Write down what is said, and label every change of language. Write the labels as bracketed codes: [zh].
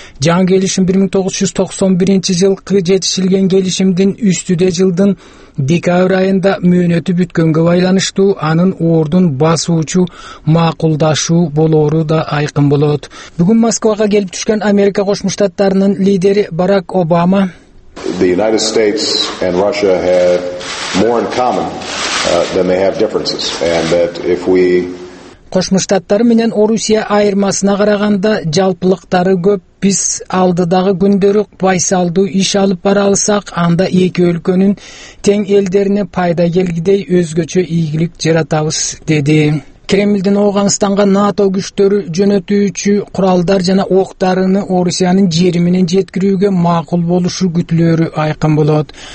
[ky] Жаңы келишим 1991 жылкы жетишилген келишимдин үстүдө жылдын декабрь айында мөөнөтү бүткөнгө байланыштуу анын ордун басуучу макулдашуу болору да айкын болот. Бүгүн Москвага келип түшкөн Америка Кошмо Штаттарынын лидери Барак Обама: [en] The United States and Russia have more in common than they have differences, and that if we [ky] Кошмо Штаттары менен Орусия айырмасына караганда жалпылыктары көп. Биз алдыдагы күндөрү байсалдуу иш алып бара алсак, анда эки өлкөнүн тең элдерине пайда келгидей өзгөчө ийгилик жаратабыз, деди. Кремлдин Ооганстанга НАТО күчтөрү жөнөтүүчү куралдар жана ок дарыны Орусиянын жери менен жеткирүүгө макул болушу күтүлөрү айкын болот.